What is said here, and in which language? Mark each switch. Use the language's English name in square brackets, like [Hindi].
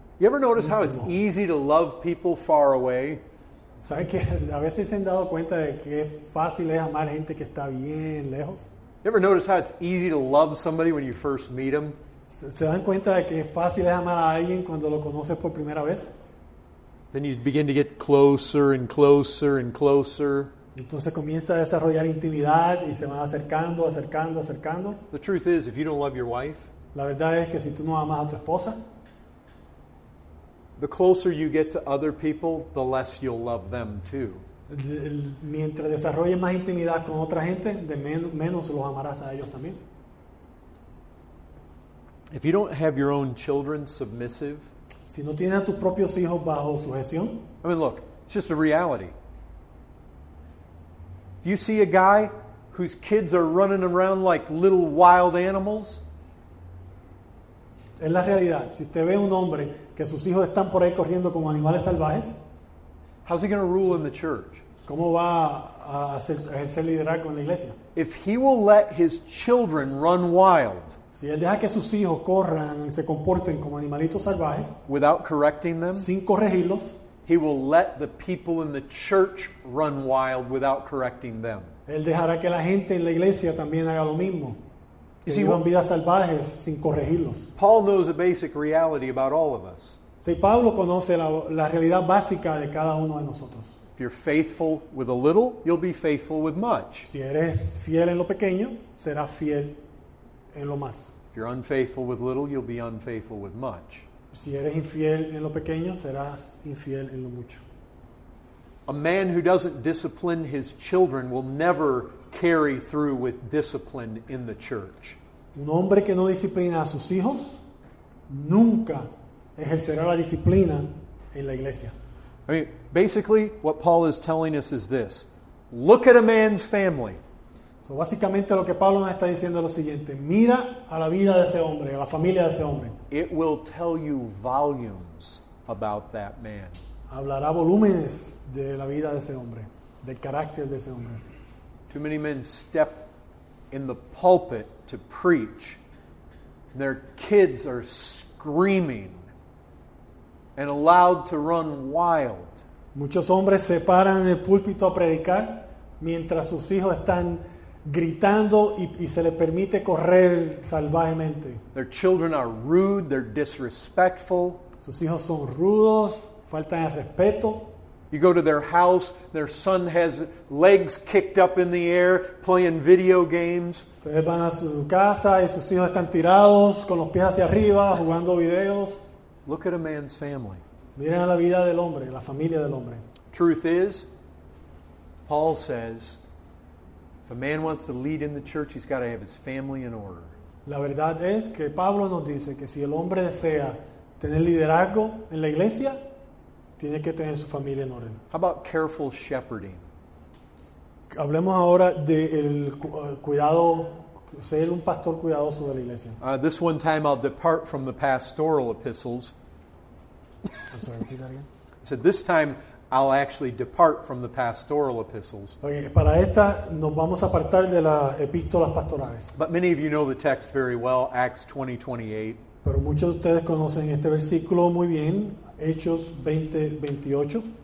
[English] You ever notice how it's easy to love people far away? [Spanish] ¿Saben que a veces se han dado cuenta de que es fácil es amar gente que está bien lejos? [English] You ever notice how it's easy to love somebody when you first meet them? [Spanish] ¿Se dan cuenta de que es fácil es amar a alguien cuando lo conoces por primera vez? [English] Then you begin to get closer and closer and closer. [Spanish] Entonces comienza a desarrollar intimidad y se van acercando, acercando, acercando. [English] The truth is, if you don't love your wife, [Spanish] la verdad es que si tú no amas a tu esposa, [English] the closer you get to other people, the less you'll love them too. [Spanish] Mientras desarrolles más intimidad con otra gente, de menos los amarás a ellos también. [English] If you don't have your own children submissive, [Spanish] si no tienes a tus propios hijos bajo sujeción, [English] I mean, look, it's just a reality. If you see a guy whose kids are running around like little wild animals, [Spanish] es la realidad. Si usted ve un hombre que sus hijos están por ahí corriendo como animales salvajes, [English] how's he going to rule in the church? [Spanish] ¿Cómo va a ejercer liderazgo en la iglesia? [English] If he will let his children run wild, [Spanish] si él deja que sus hijos corran y se comporten como animalitos salvajes, [English] without correcting them, [Spanish] sin corregirlos, [English] he will let the people in the church run wild without correcting them. [Spanish] Él dejará que la gente en la iglesia también haga lo mismo. que vivan vidas salvajes sin corregirlos. [English] Paul knows a basic reality about all of us. [Spanish] Sí, Pablo conoce la realidad básica de cada uno de nosotros. [English] If you're faithful with a little, you'll be faithful with much. [Spanish] Si eres fiel en lo pequeño, serás fiel en lo más. [English] If you're unfaithful with little, you'll be unfaithful with much. [Spanish] Si eres infiel en lo pequeño, serás infiel en lo mucho. [English] A man who doesn't discipline his children will never carry through with discipline in the church. [Spanish] Un hombre que no disciplina a sus hijos nunca ejercerá la disciplina en la iglesia. [English] I mean, basically, what Paul is telling us is this. Look at a man's family. [Spanish] So básicamente lo que Pablo nos está diciendo es lo siguiente. Mira a la vida de ese hombre, a la familia de ese hombre. [English] It will tell you volumes about that man. [Spanish] Hablará volúmenes de la vida de ese hombre, del carácter de ese hombre. [English] Too many men step in the pulpit to preach. Their kids are screaming. And allowed to run wild. [Spanish] Muchos hombres se paran en el púlpito a predicar mientras sus hijos están gritando y se les permite correr salvajemente. [English] Their children are rude, they're disrespectful. [Spanish] Sus hijos son rudos, faltan el respeto. [English] You go to their house, their son has legs kicked up in the air playing video games. [Spanish] Ustedes van a su casa y sus hijos están tirados con los pies hacia arriba jugando videos. [English] Look at a man's family. [Spanish] Miren a la vida del hombre, la familia del hombre. [English] Truth is, Paul says, if a man wants to lead in the church, he's got to have his family in order. [Spanish] La verdad es que Pablo nos dice que si el hombre desea tener liderazgo en la iglesia, tiene que tener su familia en orden. [English] How about careful shepherding? [Spanish] Hablemos ahora del cuidado. Ser un pastor cuidadoso de la iglesia. [English] This one time I'll depart from the pastoral epistles. I'm sorry, repeat that again. I said this time I'll actually depart from the pastoral epistles. [Spanish] Okay, para esta nos vamos a apartar de las epístolas pastorales. [English] But many of you know the text very well, Acts 20:28. [Spanish] Pero muchos de ustedes conocen este versículo muy bien, Hechos 20:28.